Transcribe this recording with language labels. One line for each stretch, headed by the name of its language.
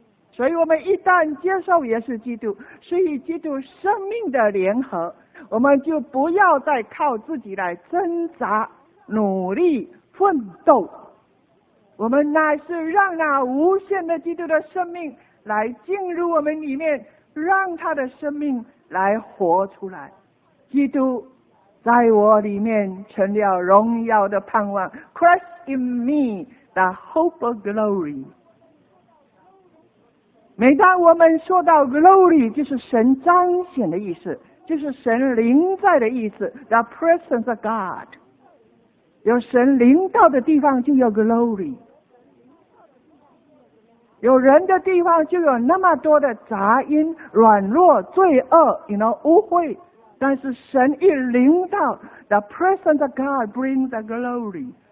Chinese: 所以我们一旦接受耶稣基督，是与基督生命的联合，我们就不要再靠自己来挣扎努力奋斗，我们乃是让那无限的基督的生命来进入我们里面，让他的生命来活出来。基督在我里面成了荣耀的盼望。
English: Christ in me, the hope of glory.
Chinese: 每当我们说到 glory, 就是神彰显的意思，就是神临在的意思，
English: the presence of God.
Chinese: 有神临到的地方就有 glory,有人的地方就有那么多的杂音、软弱、罪恶、污秽，但是神一临到，
English: The presence of God brings the glory.